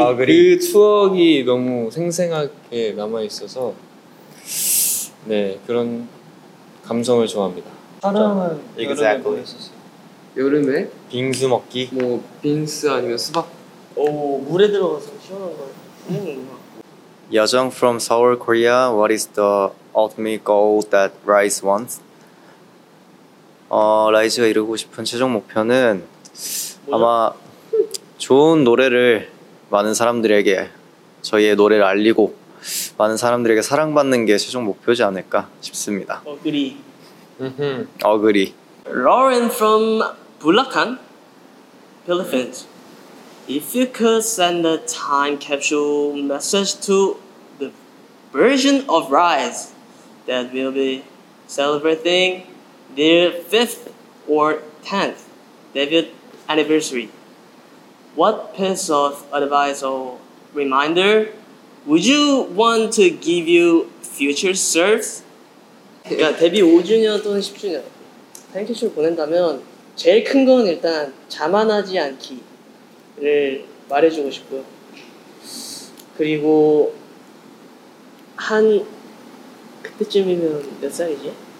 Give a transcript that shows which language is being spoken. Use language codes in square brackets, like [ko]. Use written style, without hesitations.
[ko] 아, 그 추억이 너무 생생하게 남아 있어서 네 그런 감성을 좋아합니다. 사랑은 [en] exactly. [ko] 여름에 있었어요. 여름에 빙수 먹기. 뭐 빙수 아니면 수박. 오 물에 들어가서 시원한 거. [en] 여정 from Seoul, Korea. What is the ultimate goal that Rice wants? [ko] 라이즈가 이루고 싶은 최종 목표는 아마 좋은 노래를 많은 사람들에게 저희의 노래를 알리고 많은 사람들에게 사랑받는 게 최종 목표지 않을까 싶습니다. [en] Agree. Agree. Lauren from Bulacan, Philippines. If you could send a time capsule message to the version of Rise that will be celebrating their 5th or 10th debut anniversary, what piece of advice or reminder would you want to give you future selves? [ko] 그러니까 데뷔 5주년 또는 10주년 타임캡슐 보낸다면 제일 큰 건 일단 자만하지 않기를 말해주고 싶고요. 그리고 한 그때쯤이면 몇 살이지?